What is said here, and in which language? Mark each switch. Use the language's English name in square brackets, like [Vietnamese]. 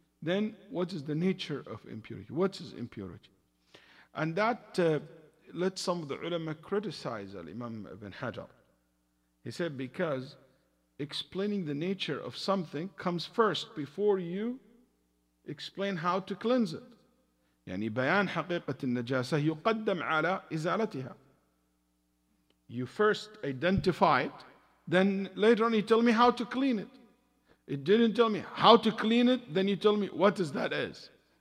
[English] Then what is the nature of impurity? What is impurity? And that let some of the ulama criticize Imam Ibn Hajar. He said because explaining the nature of something comes first before you explain how to cleanse it. [Arabic] يعني بيان حقيقة النجاسة يقدم على إزالتها. [English] You first identify it, then later on you tell me how to clean it. It didn't tell me how to clean it, then you tell me what is that is.